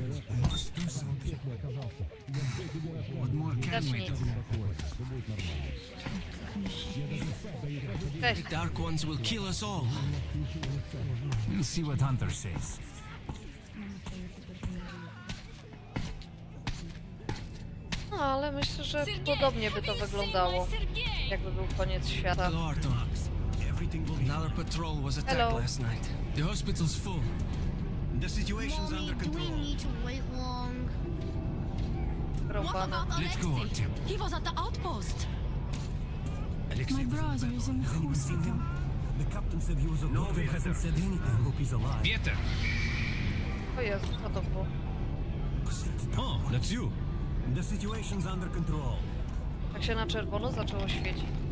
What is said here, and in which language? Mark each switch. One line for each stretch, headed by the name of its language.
English: We must do something. What more can we do? Hey. Dark ones will kill us all. We'll see what Hunter says.
Polish: No, ale myślę, że Sergej, podobnie by to wyglądało, Sergej. Jakby był koniec świata.
English: Hello, Artyom. Another patrol was attacked last night. The hospital's full. The situation's Mommy, under control. Do we need to wait long? Ropana. Let's go, Artyom. He was at the outpost. Alexei my brother is in the hospital. The captain said he was a doctor. No, he hasn't said anything. I hope he's alive. Pieter!
Polish: O Jezu, co to było?
English: Oh, that's you. The situation's under control.
Polish: Tak się na czerwono zaczęło świecić.